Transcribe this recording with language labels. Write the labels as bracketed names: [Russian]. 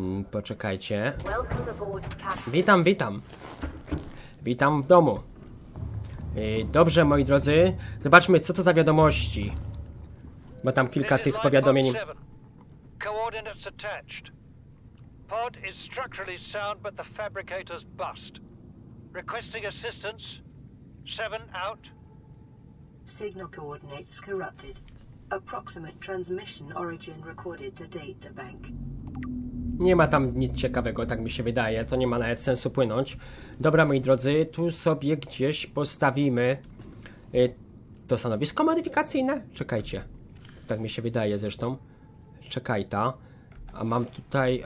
[Polish] Poczekajcie. Witam, witam. Witam w domu. Dobrze, moi drodzy, zobaczmy, co to za wiadomości. Bo tam kilka tych powiadomień. [English] Coordinates attached. Pod is structurally sound, but the fabricator's bust. Requesting assistance. Seven out. Signal coordinates corrupted. Approximate transmission origin recorded to data bank. [Polish] Nie ma tam nic ciekawego, tak mi się wydaje. To nie ma nawet sensu płynąć. Dobra, moi drodzy, tu sobie gdzieś postawimy to stanowisko modyfikacyjne. Czekajcie. Tak mi się wydaje zresztą. Czekaj ta. A mam tutaj.